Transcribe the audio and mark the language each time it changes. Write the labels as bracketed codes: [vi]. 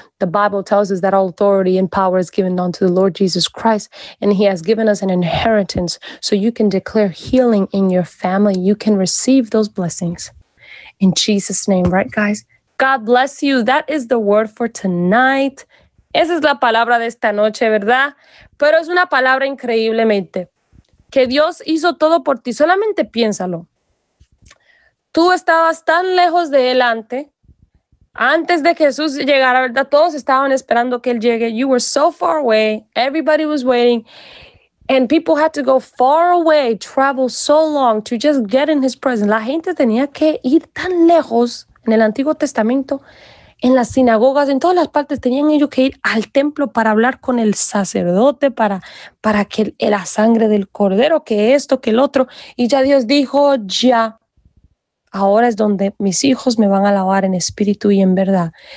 [en] The Bible tells us that all authority and power is given unto the Lord Jesus Christ, and he has given us an inheritance, so you can declare healing in your family. You can receive those blessings in Jesus' name, right, guys? God bless you. That is the word for tonight. [es] Esa es la palabra de esta noche, ¿verdad? Pero es una palabra increíblemente. Que Dios hizo todo por ti. Solamente piénsalo. Tú estabas tan lejos de él antes de Jesús llegara, ¿verdad? Todos estaban esperando que él llegue. [en] You were so far away. Everybody was waiting. And people had to go far away, travel so long to just get in his presence. [es] La gente tenía que ir tan lejos en el Antiguo Testamento, en las sinagogas, en todas las partes, tenían ellos que ir al templo para hablar con el sacerdote, para que la sangre del cordero, que esto, que el otro. Y ya Dios dijo, ya, ahora es donde mis hijos me van a alabar en espíritu y en verdad.